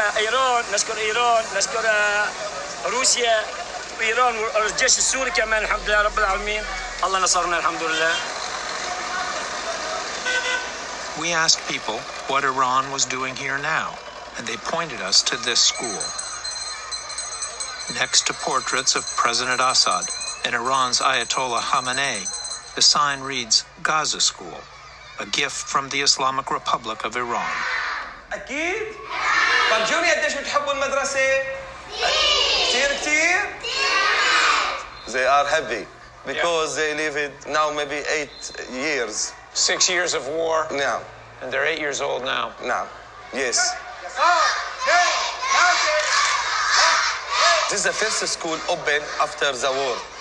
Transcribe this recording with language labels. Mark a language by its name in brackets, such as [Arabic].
[Arabic] Iran, نسكر إيران, نسكر روسيا, إيران والجيش السوري كمان الحمد لله رب العالمين. الله نصرنا الحمد لله. [English] We asked people what Iran was doing here now, and they pointed us to this school. Next to portraits of President Assad and Iran's Ayatollah Khamenei, the sign reads Gaza School, a gift from the Islamic Republic of Iran. [Arabic] أكيد. طب جوني قديش بتحبوا المدرسة؟ كثير كثير. [English] They are happy because yeah. They lived now maybe 8 years. 6 years of war. Now. And they're 8 years old now. Now. Yes. This is the first school open after the war.